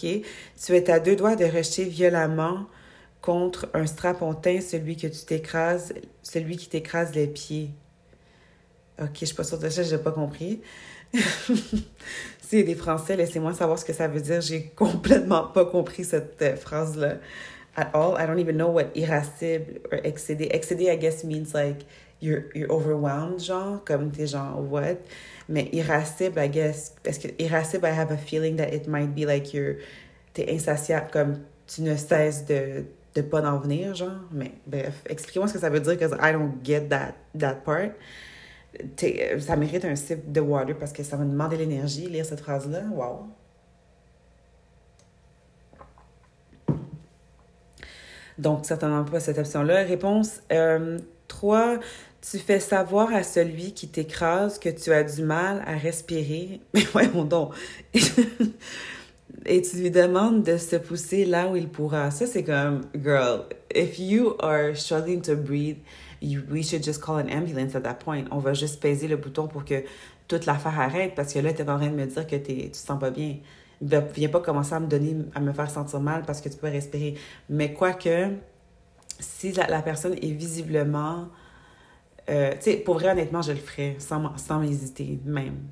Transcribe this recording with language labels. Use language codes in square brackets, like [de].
[fr] Tu es à deux doigts de rejeter violemment contre un strapontin, celui qui t'écrase les pieds. OK, je suis pas sûre de ça, j'ai pas compris. C'est des Français, laissez-moi savoir ce que ça veut dire. J'ai complètement pas compris cette phrase-là. [en] At all, I don't even know what irascible or excédé. Excédé, I guess, means like you're overwhelmed, genre, [fr] comme t'es genre, [en] what? [fr] Mais irascible, I guess, parce que irascible, [en] I have a feeling that it might be like [fr] t'es insatiable, comme tu ne cesses de pas en venir, genre. Mais bref, explique-moi ce que ça veut dire, [en] because I don't get that part. [fr] Ça mérite un sip de water parce que ça va demander l'énergie, lire cette phrase-là. Wow. Donc, certainement pas cette option-là. Réponse 3, tu fais savoir à celui qui t'écrase que tu as du mal à respirer. Mais ouais, mon don. Et tu lui demandes de se pousser là où il pourra. Ça, c'est comme, [en] girl, if you are struggling to breathe, we should just call an ambulance at that point. [fr] On va juste peser le bouton pour que toute l'affaire arrête parce que là, t'es en train de me dire que tu te sens pas bien. Ben, viens pas commencer à me faire sentir mal parce que tu peux respirer. Mais quoique, si la personne est visiblement... tu sais, pour vrai, honnêtement, je le ferais sans hésiter même.